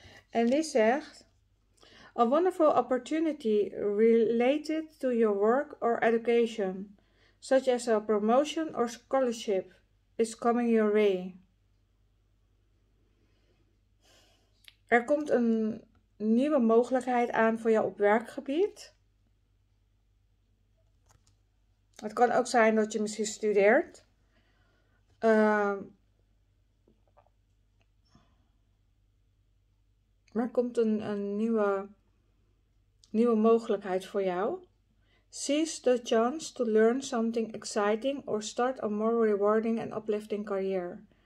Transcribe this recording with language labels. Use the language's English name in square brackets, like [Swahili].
[Dutch] En die zegt: [English] A wonderful opportunity related to your work or education, such as a promotion or scholarship, is coming your way. [Dutch] Er komt een nieuwe mogelijkheid aan voor jou op werkgebied. Het kan ook zijn dat je misschien studeert. Maar er komt een nieuwe mogelijkheid voor jou. [English] Seize the chance to learn something exciting or start a more rewarding and uplifting career.